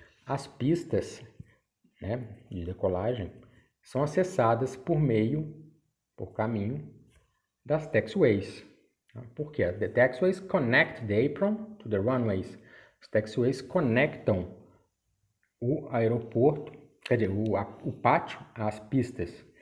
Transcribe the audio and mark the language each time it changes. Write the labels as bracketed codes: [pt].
[pt] As pistas, né, de decolagem são acessadas por caminho das taxiways. Porque [en] the taxiways connect the apron to the runways. [pt] Os taxiways conectam o aeroporto, quer dizer, o pátio às pistas.